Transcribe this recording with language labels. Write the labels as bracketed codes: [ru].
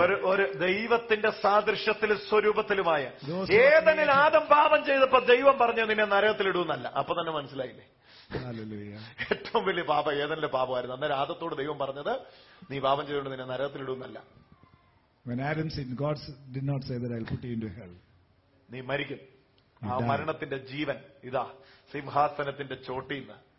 [ml] ഒരു ദൈവത്തിന്റെ സാദൃശ്യത്തിലും സ്വരൂപത്തിലുമായ ഏതെങ്കിൽ ആദം പാപം ചെയ്തപ്പോ ദൈവം പറഞ്ഞു നിന്നെ നരകത്തിലിടുന്നല്ല, അപ്പൊ തന്നെ മനസ്സിലായില്ലേ? ഏറ്റവും വലിയ പാപം ഏതെങ്കിലും പാപമായിരുന്നു. അന്നേരം ആദത്തോട് ദൈവം പറഞ്ഞത് നീ പാപം ചെയ്തുകൊണ്ട് നിന്നെ നരകത്തിലിടുന്നല്ല. [en] When Adam sinned, God did not say that I'll put you into hell. [ml] നീ മരിക്കും. ആ മരണത്തിന്റെ ജീവൻ ഇതാ സിംഹാസനത്തിന്റെ ചോട്ടിൽ നിന്ന്.